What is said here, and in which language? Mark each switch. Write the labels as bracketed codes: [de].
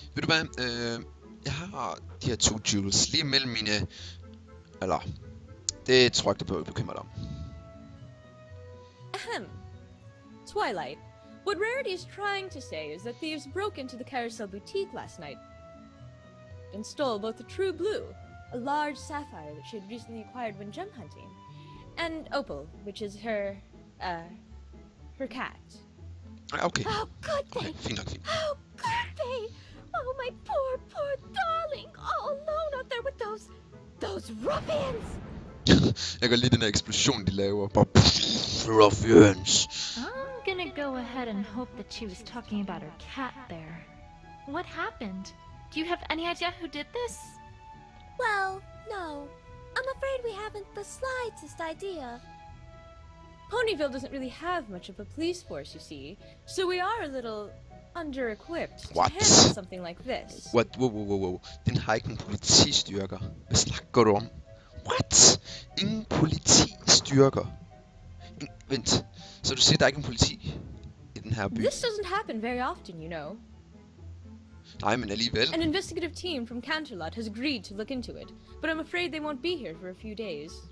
[da] Ved du hvad, jeg har de her to jewels lige mellem mine... Eller... Det tror jeg ikke, du behøver bekymre dig om. [en] Ahem. Twilight. What Rarity is trying to say is that thieves broke into the Carousel Boutique last night. And stole both the True Blue, a large sapphire that she had recently acquired when gem hunting. And Opal, which is her, her cat. Okay. How could they? Okay, fine, fine. How could they? Oh, my poor, poor darling, all alone out there with those ruffians. [da] Jeg kan lide den eksplosion, de laver. [en] Bare ruffians. I'm gonna go ahead and hope that she was talking about her cat there. What happened? Do you have any idea who did this? Well, no. I'm afraid we haven't the slightest idea. Ponyville doesn't really have much of a police force, you see. So we are a little under-equipped what? To handle something like this. What? Whoa. [da] Din har ikke en politistyrker. Hvad snakker du om? [en] What? [da] Ingen politistyrker? Vent. Så du siger, der er ikke en politi i den her by? [en] This doesn't happen very often, you know. [da] Nej, men alligevel. [en] An investigative team from Canterlot has agreed to look into it, but I'm afraid they won't be here for a few days.